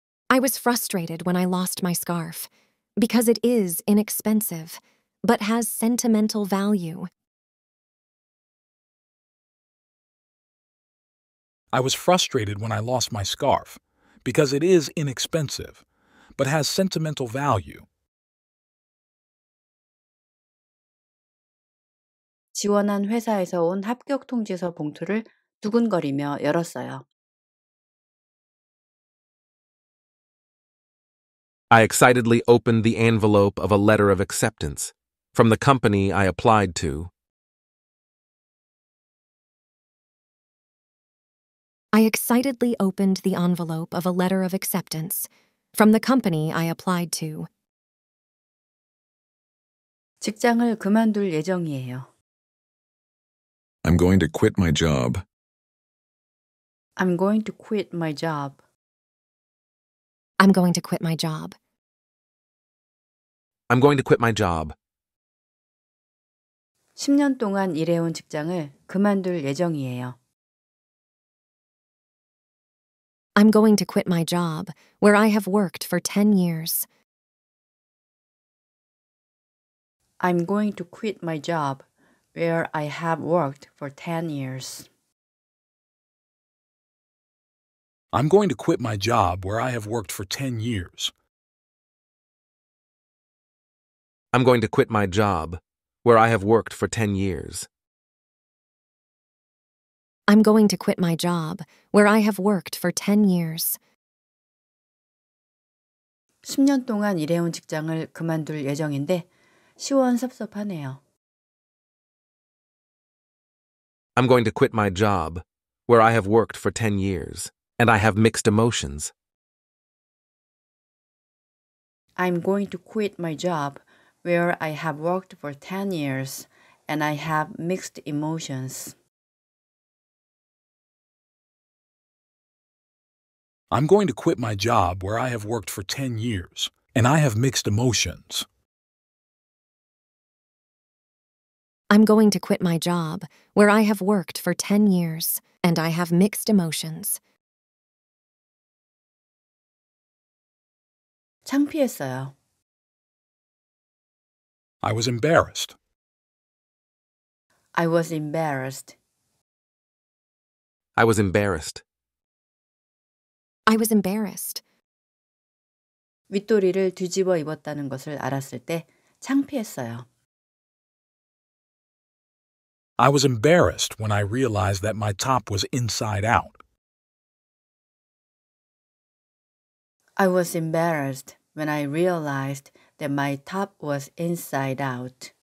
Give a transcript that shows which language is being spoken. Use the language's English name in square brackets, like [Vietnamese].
[English] I was frustrated when I lost my scarf because it is inexpensive but has sentimental value. I was frustrated when I lost my scarf because it is inexpensive but has sentimental value. [Korean] 지원한 회사에서 온 합격 통지서 봉투를 두근거리며 열었어요. [English] I excitedly opened the envelope of a letter of acceptance from the company I applied to. I excitedly opened the envelope of a letter of acceptance from the company I applied to. [Korean] 직장을 그만둘 예정이에요. [English] I'm going to quit my job. I'm going to quit my job. I'm going to quit my job. I'm going to quit my job. [Korean] 10년 동안 일해온 직장을 그만둘 예정이에요. [English] I'm going to quit my job where I have worked for 10 years. I'm going to quit my job where I have worked for 10 years. I'm going to quit my job where I have worked for 10 years. I'm going to quit my job where I have worked for 10 years. I'm going to quit my job where I have worked for 10 years. [Korean] 10년 동안 일해온 직장을 그만둘 예정인데 시원섭섭하네요. [English] I'm going to quit my job where I have worked for 10 years and I have mixed emotions. I'm going to quit my job where I have worked for 10 years and I have mixed emotions. I'm going to quit my job where I have worked for 10 years and I have mixed emotions. I'm going to quit my job where I have worked for 10 years and I have mixed emotions. [Korean] 창피했어요. [English] I was embarrassed. I was embarrassed. I was embarrassed. I was embarrassed. [Korean] 윗도리를 뒤집어 입었다는 것을 알았을 때 창피했어요. [English] I was embarrassed when I realized that my top was inside out. I was embarrassed when I realized that my top was inside out.